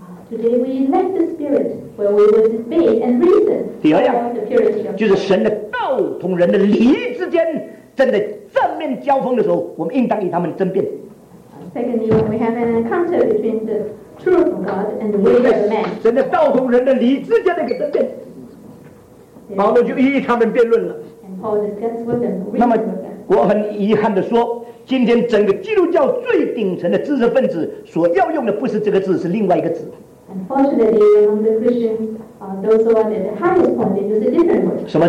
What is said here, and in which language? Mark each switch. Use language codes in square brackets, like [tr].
[en] Today we lack the spirit where we will debate and reason. [zh] 第二样, [en] about the purity of [zh] 就是神的道同人的理之间正在正面交锋的时候，我们应当与他们争辩。 [en] Secondly, when we have an encounter between the truth of God and the way of man. Paul discussed with them, reasoned with them. [zh] 今天整个基督教最顶层的知识分子所要用的不是这个字，是另外一个字。 [en] Unfortunately, among the Christians, those who are at the highest point, they use a different word.